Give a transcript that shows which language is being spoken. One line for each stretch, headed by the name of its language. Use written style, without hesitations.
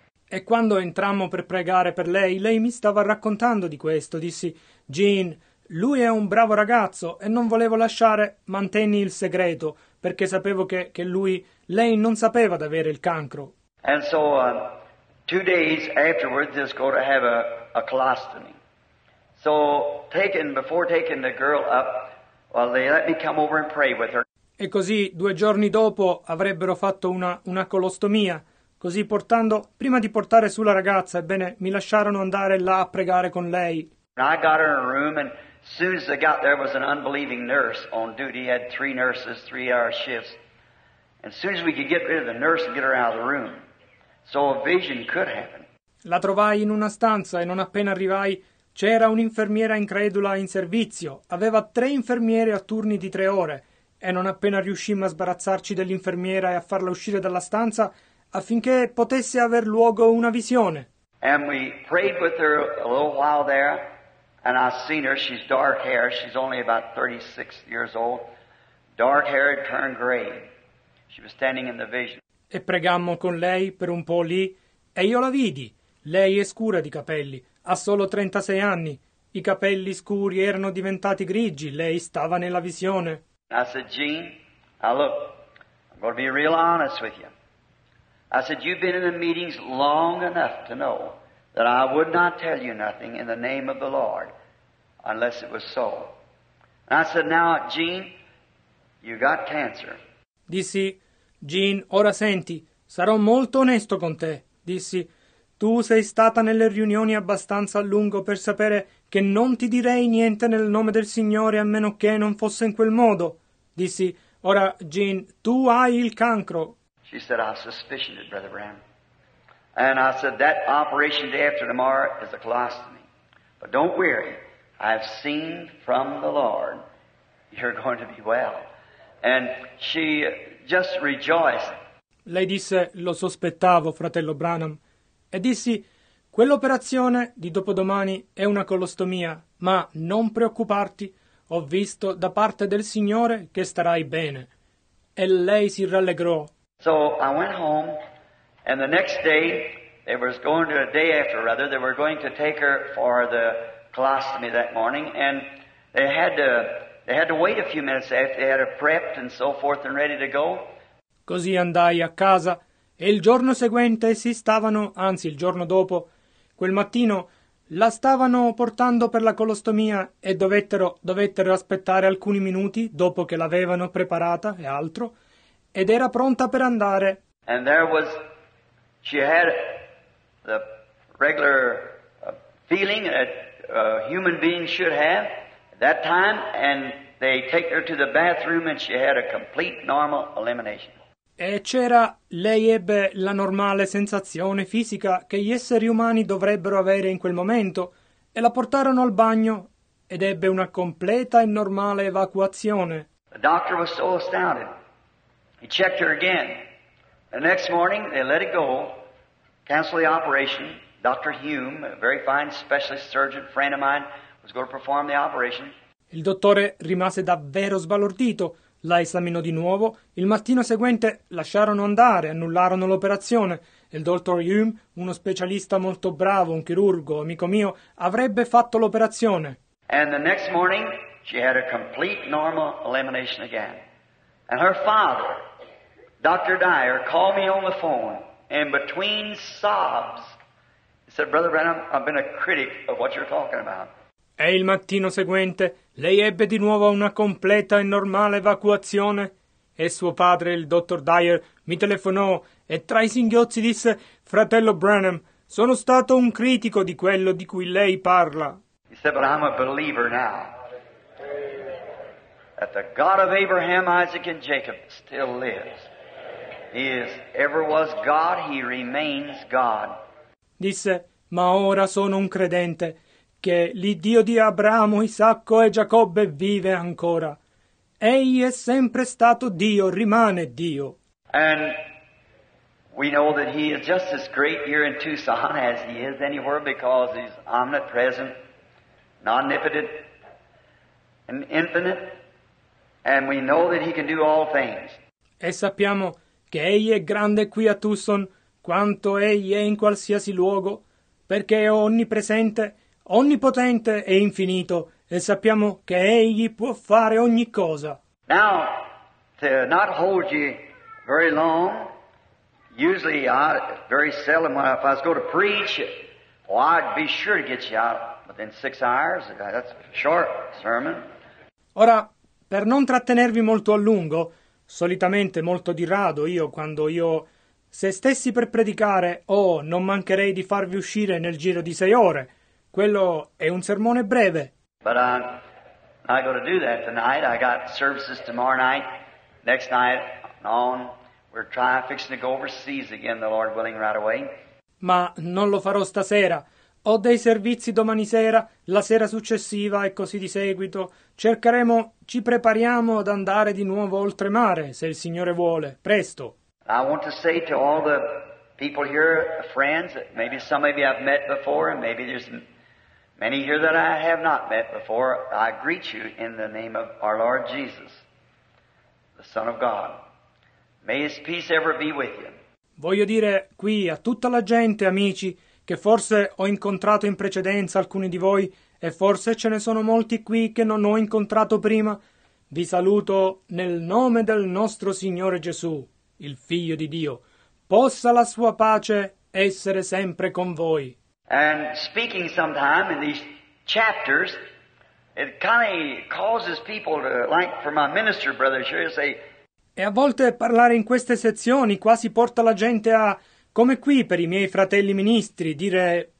Italian: E quando entrammo per pregare per lei, lei mi stava raccontando di questo. Dissi, Jean, lui è un bravo ragazzo e non volevo lasciare, mantenni il segreto, perché sapevo che lui, lei non sapeva di avere il cancro.
English: And so, 2 days afterwards, this girl to have a colostomy. So, before taking the girl up, well, they let me come over and pray with her.
Italian: E così, 2 giorni dopo, avrebbero fatto una colostomia. Così prima di portare su la ragazza, ebbene, mi lasciarono andare là a pregare con lei.
English: And I got her in a room, and as soon as I got there was an unbelieving nurse on duty. He had 3 nurses, 3-hour shifts. And as soon as we could get rid of the nurse and get her out of the room, so a vision could happen.
Italian: La trovai in una stanza e non appena arrivai, c'era un'infermiera incredula in servizio. Aveva 3 infermiere a turni di 3 ore. E non appena riuscimmo a sbarazzarci dell'infermiera e a farla uscire dalla stanza, affinché potesse aver luogo una visione.
English: And we prayed with her a little while there, and I seen her, she's dark hair, she's only about 36 years old, dark hair had turned gray. She was standing in the vision.
Italian: E pregammo con lei per un po' lì, e io la vidi. Lei è scura di capelli, ha solo 36 anni, i capelli scuri erano diventati grigi, lei stava nella visione.
English: I said, Jean, now look, I'm going to be real honest with you. I said, you've been in the meetings long enough to know that I would not tell you nothing in the name of the Lord unless it was so. And I said, now, Jean, you got cancer.
Italian: Dissi, Jean, ora senti, sarò molto onesto con te. Dissi, tu sei stata nelle riunioni abbastanza a lungo per sapere che non ti direi niente nel nome del Signore a meno che non fosse in quel modo. Dissi, ora, Jean, tu hai il cancro.
English: She said, I suspicioned it, Brother Bram. And I said, that operation day after tomorrow is a colostomy. But don't worry, I've seen from the Lord, you're going to be well. And she just rejoiced.
Italian: Lei disse, lo sospettavo, fratello Branham. E dissi, quell'operazione di dopodomani è una colostomia, ma non preoccuparti, ho visto da parte del Signore che starai bene. E lei si rallegrò.
English: So I went home, and the next day, they were going to a day after, rather, they were going to take her for the colostomy that morning, and they had to wait a few minutes after they had her prepped and so forth and ready to go.
Italian: Così andai a casa, e il giorno seguente il giorno dopo, quel mattino, la stavano portando per la colostomia e dovettero aspettare alcuni minuti dopo che l'avevano preparata e altro. Ed era pronta per andare.
English: And there was, she had the regular feeling that a human being should have at that time, and they take her to the bathroom and she had a complete normal elimination.
Italian: E c'era, lei ebbe la normale sensazione fisica che gli esseri umani dovrebbero avere in quel momento, e la portarono al bagno ed ebbe una completa e normale evacuazione.
English: The doctor was so astounded. He checked her again. The next morning, they let it go, canceled the operation. Dr. Hume, a very fine specialist surgeon, friend of mine, was going to perform the operation.
Italian: Il dottore rimase davvero sbalordito. La esaminò di nuovo. Il mattino seguente lasciarono andare, annullarono l'operazione. Il dottor Hume, uno specialista molto bravo, un chirurgo, amico mio, avrebbe fatto l'operazione.
English: And the next morning, she had a complete normal elimination again. And her father, Dr. Dyer, called me on the phone, and between sobs, he said, Brother Branham, I've been a critic of what you're talking about.
Italian: E il mattino seguente, lei ebbe di nuovo una completa e normale evacuazione, e suo padre, il Dr. Dyer, mi telefonò, e tra i singhiozzi disse, Fratello Branham, Sono stato un critico di quello di cui lei parla.
English: He said, but I'm a believer now. That the God of Abraham, Isaac, and Jacob still lives. He is, ever was God, he remains God.
Italian: Disse, ma ora sono un credente che l'Iddio di Abramo, Isacco e Giacobbe vive ancora. Egli è sempre stato Dio, rimane Dio.
English: And we know that he is just as great here in Tucson as he is anywhere because he's omnipresent, omnipotent, and infinite. And we know that he can do all things.
Italian: E sappiamo che egli è grande qui a Tucson quanto egli è in qualsiasi luogo, perché è onnipresente, onnipotente e infinito, e sappiamo che egli può fare ogni cosa.
English: Now, to not hold you very long, usually I, very seldom when I, if I was going to preach, well, I'd be sure to get you out within 6 hours. That's a short sermon.
Italian: Ora, per non trattenervi molto a lungo, solitamente molto di rado io quando io se stessi per predicare, oh, non mancherei di farvi uscire nel giro di 6 ore. Quello è un sermone breve.
English: But I'm not going to do that tonight. I got services tomorrow night, next night, on. We're trying fixing to go overseas again, the Lord willing, right away.
Italian: Ma non lo farò stasera. Ho dei servizi domani sera, la sera successiva e così di seguito. Cercheremo, ci prepariamo ad andare di nuovo oltremare, se il Signore vuole. Presto.
English: I want to say to all the people here, friends, that maybe some of you I've met before, and maybe there's many here that I have not met before, I greet you in the name of our Lord Jesus, the Son of God. May His peace ever be with you.
Italian: Voglio dire qui a tutta la gente, amici, che forse ho incontrato in precedenza alcuni di voi, e forse ce ne sono molti qui che non ho incontrato prima, vi saluto nel nome del nostro Signore Gesù. Il Figlio di Dio, possa la sua pace essere sempre con voi.
English: And speaking sometime in these chapters, it kind of causes people to, like for my minister brother, sure to say.
Italian: E a volte parlare in queste sezioni quasi porta la gente a, come qui per i miei fratelli ministri, dire.